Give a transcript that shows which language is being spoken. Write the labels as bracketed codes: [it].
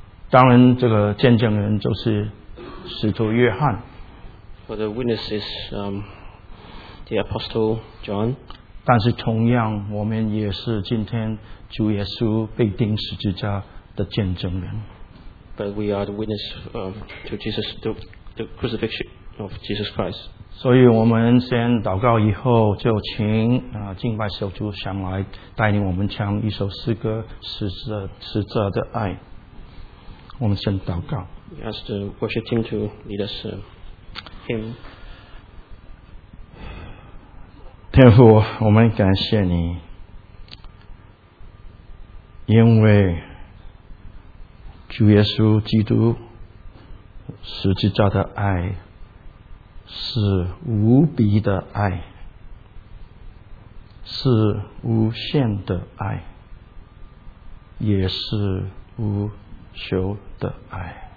[zh] 当然，这个见证人就是使徒约翰。 [en] For the witness is the apostle John. [zh] 但是同样，我们也是今天主耶稣被钉十字架的见证人。 [en] But we are the witness to Jesus, the crucifixion of Jesus Christ. [zh] 所以我们先祷告以后就请敬拜小组想来带领我们唱一首诗歌使者的爱。我们先祷告。 [en] We ask the worship team to lead us him. [zh] 天父，我们感谢你，因为主耶稣基督十字架的爱是无比的爱，是无限的爱，也是无休的爱。